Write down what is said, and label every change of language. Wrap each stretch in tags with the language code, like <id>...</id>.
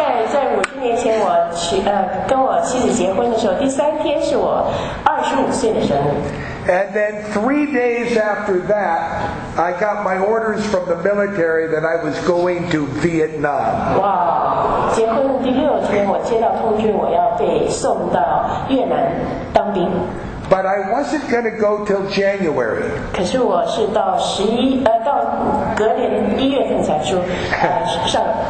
<zh>在50年前，我跟我妻子结婚的时候，第三天是我25岁的生日。</zh> <en>And then 3 days after that, I got my orders from the military that I was going to Vietnam. Wow.</en> <zh>结婚的第六天，我接到通知，我要被送到越南当兵。</zh> <en>But I wasn't going to go till January.</en> <zh>可是我是到十一呃到隔年一月份才出上。</zh>